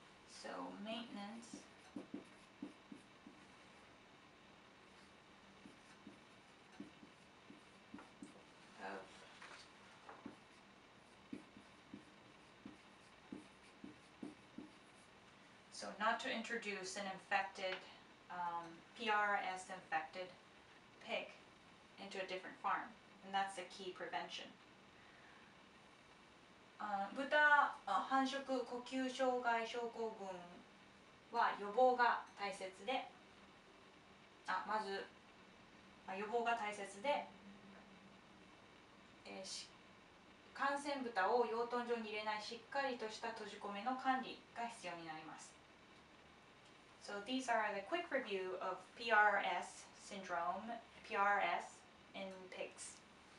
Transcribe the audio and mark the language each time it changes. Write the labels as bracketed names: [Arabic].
[English] So maintenance of so not to introduce an infected PRRS infected pig into a different farm, and that's the key prevention. [Japanese] 豚繁殖呼吸障害症候群は予防が大切で、まず予防が大切で、感染豚を養豚場に入れないしっかりとした閉じ込めの管理が必要になります。 [English] So these are the quick review of PRRS syndrome, PRRS in pigs.